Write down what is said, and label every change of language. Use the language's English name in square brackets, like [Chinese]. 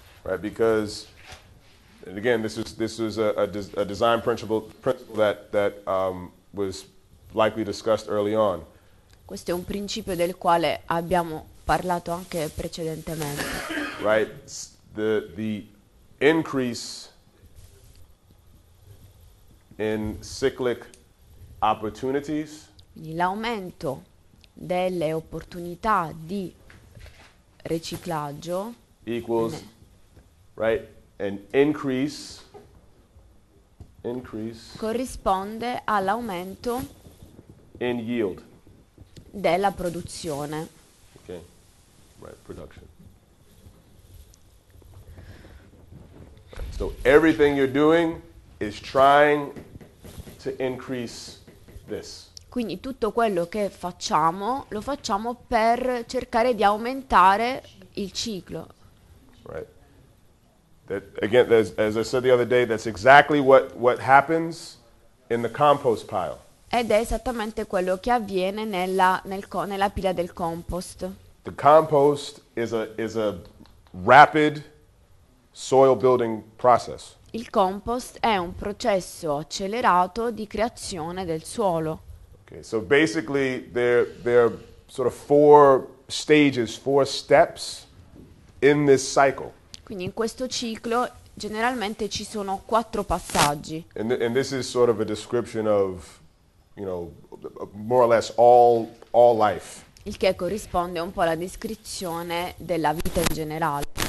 [English] Right, because, and again, this is a design principle that was likely discussed early on. [Italian] Questo è un principio del quale abbiamo parlato anche precedentemente. [English] Right, the increase in cyclic opportunities. [Italian] L'aumento delle opportunità di riciclaggio [English] equals, right, an increase [Italian] corrisponde all'aumento [English] in yield [Italian] della produzione. [English] Okay, right, production. So everything you're doing is trying to increase this. [Italian] Quindi tutto quello che facciamo lo facciamo per cercare di aumentare il ciclo. [English] Right. That, again, as I said the other day, that's exactly what happens in the compost pile. [Italian] Ed è esattamente quello che avviene nella pila del compost. [English] The compost is a rapid soil building process. [Italian] Il compost è un processo accelerato di creazione del suolo. [English] Okay, so basically there are sort of four stages, four steps in this cycle. [Italian] Quindi in questo ciclo generalmente ci sono quattro passaggi. [English] And this is sort of a description of, you know, more or less all life. [Italian] Il che corrisponde un po' alla descrizione della vita in generale.